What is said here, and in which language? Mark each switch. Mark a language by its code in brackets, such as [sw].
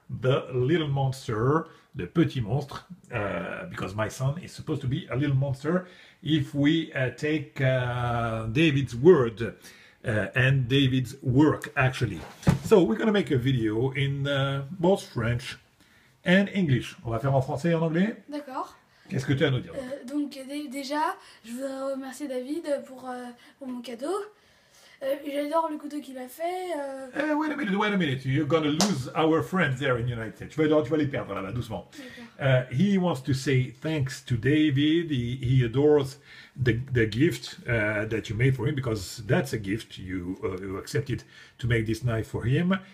[en] The little monster, le petit monstre, because my son is supposed to be a little monster, if we take David's word. And David's work, actually. So we're gonna make a video in both French and English. [fr] On va faire en français et en anglais. D'accord. Qu'est-ce que tu as à nous dire? Donc déjà, je voudrais remercier David pour mon cadeau. J'adore le couteau qu'il a fait. [en] Wait a minute. You're gonna lose our friends there in the United States. Tu vas les perdre là-bas, doucement. He wants to say thanks to David. He adores the gift that you made for him, because that's a gift you accepted to make this knife for him.